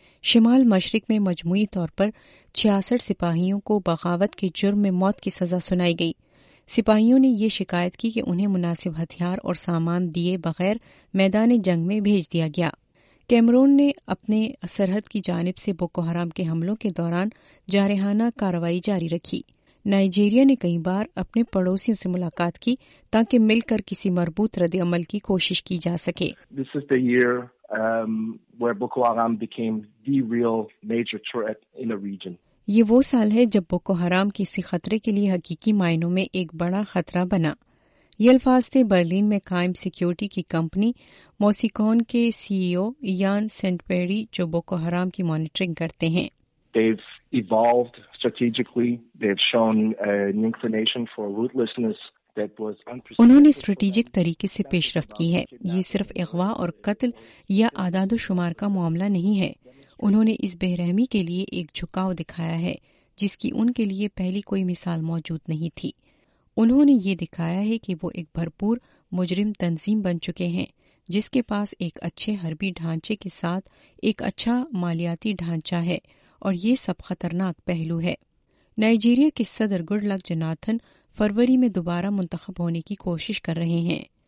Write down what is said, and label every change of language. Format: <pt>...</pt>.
<ur>شمال مشرق میں مجموعی طور پر 66 سپاہیوں کو بغاوت کے جرم میں موت کی سزا سنائی گئی۔ سپاہیوں نے یہ شکایت کی کہ انہیں مناسب ہتھیار اور سامان دیے بغیر میدان جنگ میں بھیج دیا گیا۔ کیمرون نے اپنے سرحد کی جانب سے بوکو حرام کے حملوں کے دوران جارحانہ کارروائی جاری رکھی۔ نائجیریا نے کئی بار اپنے پڑوسیوں سے ملاقات کی تاکہ مل کر کسی مربوط رد عمل کی کوشش کی جا سکے۔</ur> <en>This is the year where Boko Haram became the real major threat in the region.</en> <ur>یہ وہ سال ہے جب بوکو حرام کسی خطرے کے لیے حقیقی معنوں میں ایک بڑا خطرہ بنا۔ یہ الفاظ تھے برلین میں قائم سیکیورٹی کی کمپنی موسیکون کے CEO یان سینٹ پیری، جو بوکو حرام کی مانیٹرنگ کرتے ہیں۔</ur> <en>They've evolved strategically. They've shown an inclination for ruthlessness that was unprecedented.</en> <ur>انہوں نے اسٹریٹیجک طریقے سے پیش رفت کی ہے۔ یہ صرف اغوا اور قتل یا اعداد و شمار کا معاملہ نہیں ہے، انہوں نے اس بے رحمی کے لیے ایک جھکاؤ دکھایا ہے جس کی ان کے لیے پہلی کوئی مثال موجود نہیں تھی۔ انہوں نے یہ دکھایا ہے کہ وہ ایک بھرپور مجرم تنظیم بن چکے ہیں، جس کے پاس ایک اچھے حربی ڈھانچے کے ساتھ ایک اچھا مالیاتی ڈھانچہ ہے، اور یہ سب خطرناک پہلو ہے۔ نائجیریا کے صدر گڈ لک جناتھن فروری میں دوبارہ منتخب ہونے کی کوشش کر رہے ہیں۔</ur>